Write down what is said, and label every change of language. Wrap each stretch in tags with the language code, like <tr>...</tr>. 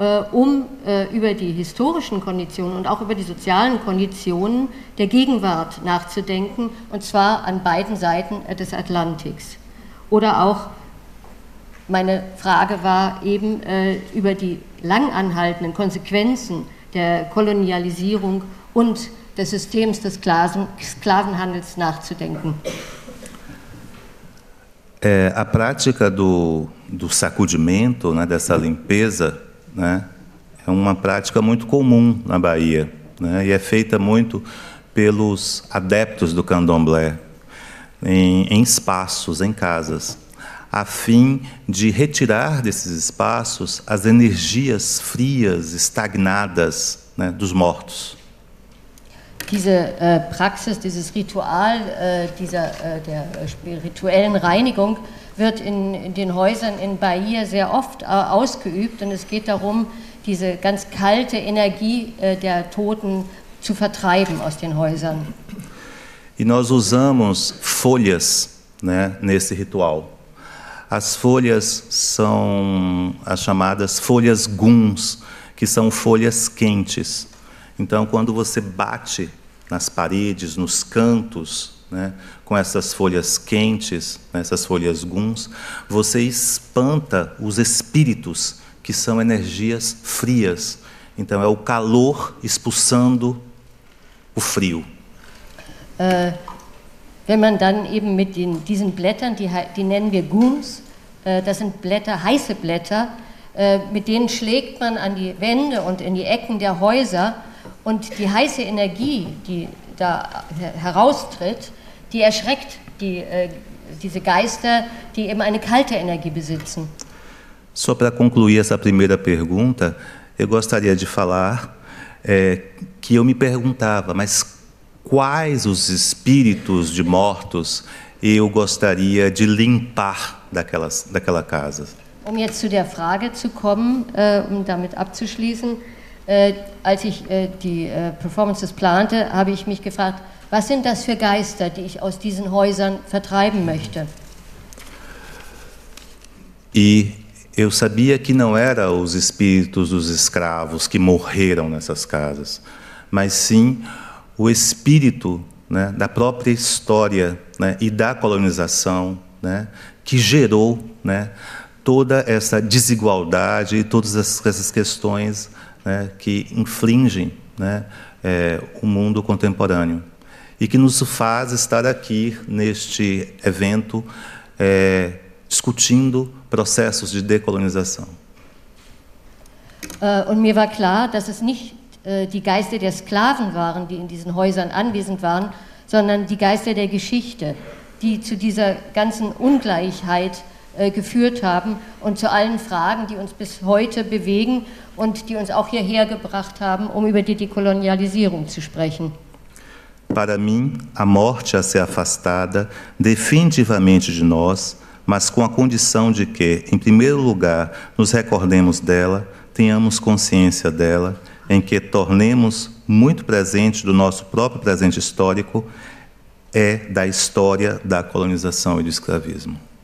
<de>um über die historischen Konditionen und auch über die sozialen Konditionen der Gegenwart nachzudenken, und zwar an beiden Seiten des Atlantiks. Oder auch, meine Frage war eben über die langanhaltenden Konsequenzen der Kolonialisierung und des Systems des Sklavenhandels nachzudenken.</de> <pt>A prática do sacudimento, né, dessa limpeza, né, é uma prática muito comum na Bahia, né, e é feita muito pelos adeptos do candomblé, em espaços, em casas, a fim de retirar desses espaços as energias frias, estagnadas, né, dos mortos.</pt> <de>Diese Praxis, dieses Ritual der spirituellen Reinigung wird in den Häusern in Bahia sehr oft ausgeübt, und es geht darum, diese ganz kalte Energie der Toten zu vertreiben aus den Häusern.</de> <pt>E nós usamos folhas, né, nesse ritual. As folhas são as chamadas folhas guns, que são folhas quentes. Então, quando você bate nas paredes, nos cantos, né, com essas folhas quentes, né, essas folhas guns, você espanta os espíritos, que são energias frias. Então é o calor expulsando o frio.</pt> <de>Wenn man dann eben mit diesen Blättern, die nennen wir Guns, das sind Blätter, heiße Blätter, mit denen schlägt man an die Wände und in die Ecken der Häuser. Und die heiße Energie, die da heraustritt, die erschreckt diese Geister, die eben eine kalte Energie besitzen.</de> <pt>Só para concluir essa primeira pergunta, eu gostaria de falar que eu me perguntava, mas quais os espíritos de mortos eu gostaria de limpar daquela casa?</pt> <de>Um jetzt zu der Frage zu kommen, um damit abzuschließen, als ich die Performances plante, habe ich mich gefragt, was sind das für Geister, die ich aus diesen Häusern vertreiben möchte?</de> <pt>E eu sabia que não era os espíritos dos escravos que morreram nessas casas, mas sim o espírito, né, da própria história, né, e da colonização, né, que gerou, né, toda essa desigualdade e todas essas questões, né, que infligem, né, o mundo contemporâneo e que nos faz estar aqui neste evento discutindo processos de decolonização.</pt> <de>Und mir war klar, dass es nicht die Geister der Sklaven waren, die in diesen Häusern anwesend waren, sondern die Geister der Geschichte, die zu dieser ganzen Ungleichheit geführt haben und zu allen Fragen, die uns bis heute bewegen und die uns auch hierher gebracht haben, um über die Dekolonialisierung zu sprechen.</de> <pt>Para mim, a morte a ser afastada definitivamente de nós, mas com a condição de que, em primeiro lugar, nos recordemos dela, tenhamos consciência dela, em que tornemos muito presente do nosso próprio presente histórico, é da história da colonização e do escravismo.</pt>